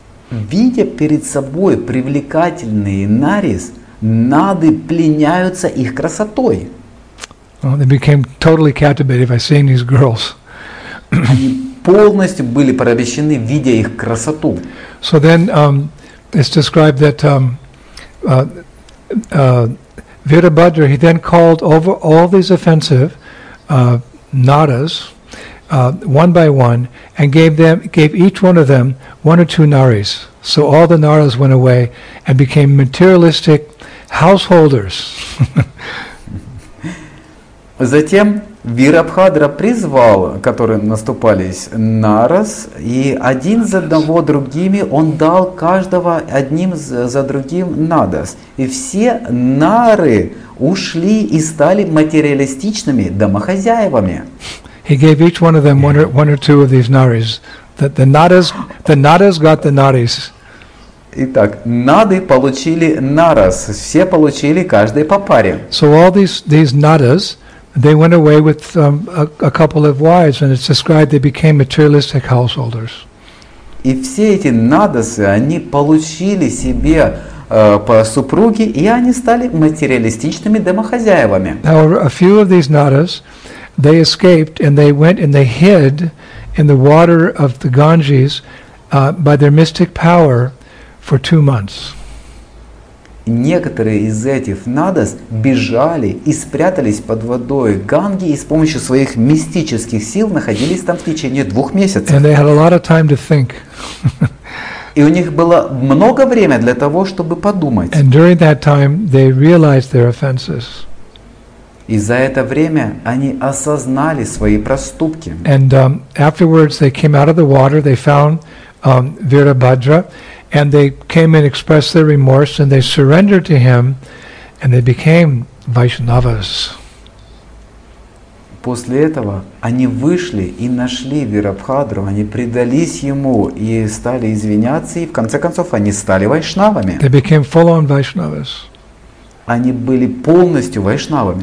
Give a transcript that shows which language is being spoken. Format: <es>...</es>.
<ru>Видя перед собой привлекательные Нарис, Нады пленяются их красотой.</ru> <en>Well, they became totally captivated by seeing these girls.</en> <ru>Они полностью были порабощены, видя их красоту.</ru> <en>So then it's described that Virabhadra, he then called over all these offensive nadas one by one and gave each one of them one or two naris. So all the naras went away and became materialistic householders.</en> <ru>Затем Вирабхадра призвал, которые наступались нарас, и один за одного другими он дал каждого одним за другим надас. И все нары ушли и стали материалистичными домохозяевами.</ru> <en>He gave each one of them one or two of these narys. The nadas got the narys.</en> <ru>Итак, нады получили нарас. Все получили каждый по паре.</ru> <en>So all these nadas, they went away with a couple of wives, and it's described they became materialistic householders.</en> <ru>И все эти надасы, они получили себе по супруге, и они стали материалистичными домохозяевами.</ru> <en>However, a few of these nadas, they escaped, and they went and they hid in the water of the Ganges by their mystic power for 2 months.</en> <ru>Некоторые из этих надас бежали и спрятались под водой Ганги и с помощью своих мистических сил находились там в течение 2 месяцев.</ru> <en>And they had a lot of time to think.</en> <ru>И у них было много времени для того, чтобы подумать.</ru> <en>And during that time they realized their offenses.</en> <ru>И за это время они осознали свои проступки.</ru> <en>And afterwards they came out of the water, they found Virabhadra. And they came and expressed their remorse, and they surrendered to him, and they became Vaishnavas.</en> <ru>После этого они вышли и нашли Вирабхадру, они предались ему и стали извиняться, и в конце концов они стали вайшнавами.</ru> <en>They became full-on Vaishnavas.</en> <ru>они были полностью вайшнавами.</ru>